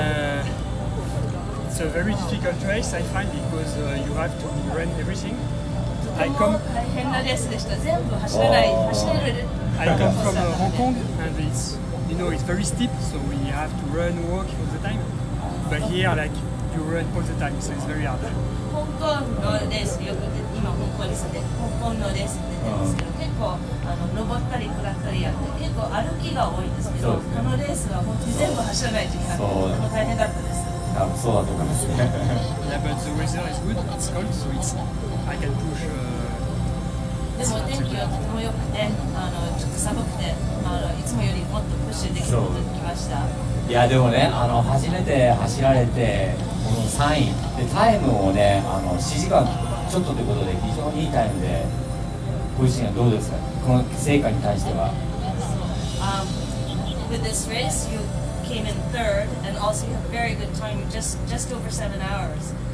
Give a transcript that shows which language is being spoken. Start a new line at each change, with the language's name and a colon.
English: It's a very difficult race, I find, because you have to run everything. I come from Hong Kong, and it's, you know, it's very steep, so we have to run, walk all the time. But here, like, you run all the time, so it's very hard.
Japanese: Hong Kong のレース、よく今香港に住んで、香港のレースって言ってますけど、結構あの登ったり下ったりやって、結構歩きが多いんですけど、このレースは本当に全部走らない時間で、とても大変だったです。そうだと思いますね。
English: Yeah, but the weather is good, it's cold, so it's, I can push.
Japanese: でも天気はとても良くて、あのちょっと寒くて、あのいつもよりもっとプッシュできることができました。いやでもね、あの初めて走られてこの3位でタイムをね、あの4時間ちょっとということで非常にいいタイムで、ご自身はどうですか、この成果に対しては。
English: With this race you came in third and also you have a very good time, just over 7 hours.